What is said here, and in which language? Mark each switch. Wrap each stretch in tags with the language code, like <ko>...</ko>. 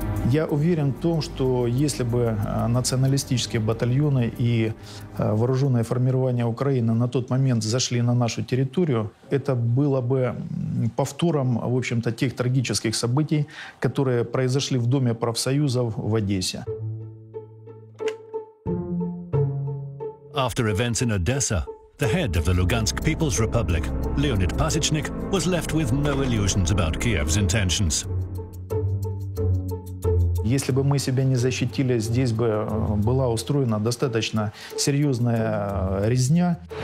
<ru>Я уверен в том, что если бы националистические батальоны и вооруженные формирования Украины на тот момент зашли на нашу территорию, это было бы повтором, в общем-то, тех трагических событий, которые произошли в Доме профсоюзов в Одессе.</ru> <en>After events in Odessa, the head of the Lugansk People's Republic, Leonid Pasichnik, was left with no illusions about Kiev's intentions.</en> <ru>Если бы мы себя не защитили, здесь бы была устроена достаточно серьезная резня.</ru>